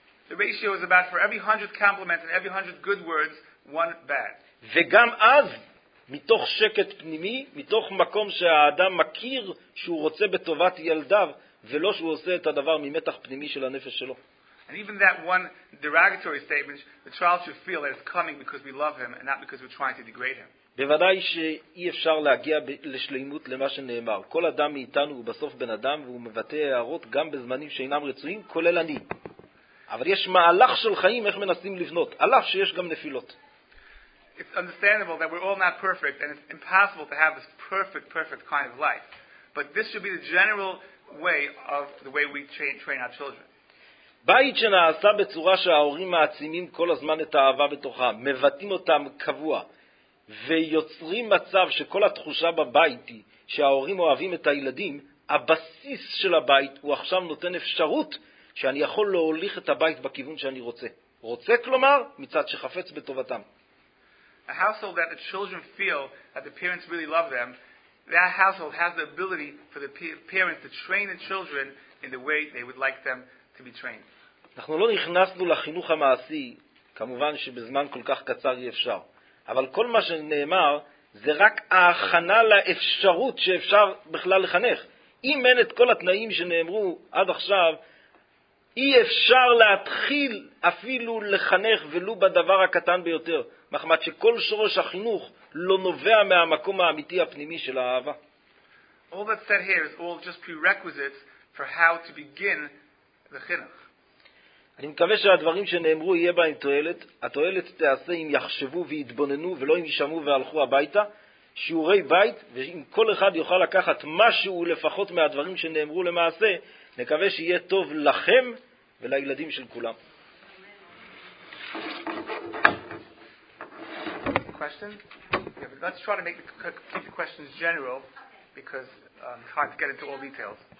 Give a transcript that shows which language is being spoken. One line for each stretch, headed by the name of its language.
English: The ratio is about for every 100 compliments and every 100 good words, one bad.
Hebrew: וגם אז, מתוך שקט פנימי, מתוך מקום שהאדם מכיר שהוא רוצה בטובת ילדיו, ולא שהוא עושה את הדבר ממתח פנימי של הנפש שלו.
English: And even that one derogatory statement, the child should feel that it's coming because we love him and not because we're trying to degrade him.
Hebrew: בוודאי שאי אפשר להגיע לשלימות למה שנאמר. כל אדם מאיתנו הוא בסוף בן אדם והוא מבטא הערות גם בזמנים שאינם רצויים, כולל אני. אבל יש מהלך של חיים איך מנסים לבנות, על אף שיש גם נפילות.
English: It's understandable that we're all not perfect and it's impossible to have this perfect, perfect kind of life. But this should be the general way of the way we train our children.
Hebrew: בית שנעשה בצורה שההורים מעצימים כל הזמן את האהבה בתוכם, מבטאים אותם קבוע, ויוצרים מצב שכל התחושה בבית היא שההורים אוהבים את הילדים, הבסיס של הבית הוא עכשיו נותן אפשרות שאני יכול להוליך את הבית בכיוון שאני רוצה. רוצה כלומר, מצד שחפץ בטובתם.
English: A household that the children feel that the parents really love them, that household has the ability for the parents to train the children in the way they would like them to be trained.
Hebrew: אנחנו לא נכנסנו לחינוך המעשי, כמובן שבזמן כל כך קצר אי אפשר. אבל כל מה שנאמר זה רק ההכנה לאפשרות שאפשר בכלל לחנך. אם אין את כל התנאים שנאמרו עד עכשיו, אי אפשר להתחיל אפילו לחנך ולו בדבר הקטן ביותר. מחמת שכל שורש החינוך לא נובע מהמקום האמיתי הפנימי של האהבה.
English: All that's said here is all just prerequisites for how to begin the chinuch.
Hebrew: אני מקווה שהדברים שנאמרו יהיה בהם תועלת. התועלת תעשה אם יחשבו ויתבוננו ולא אם ישמעו והלכו הביתה. שיעורי בית, ואם כל אחד יוכל לקחת משהו לפחות מהדברים שנאמרו למעשה, נקווה שיהיה טוב לכם ולילדים של כולם.
English: Question? Yeah, but let's try to make the, keep the questions general because it's hard to get into all details.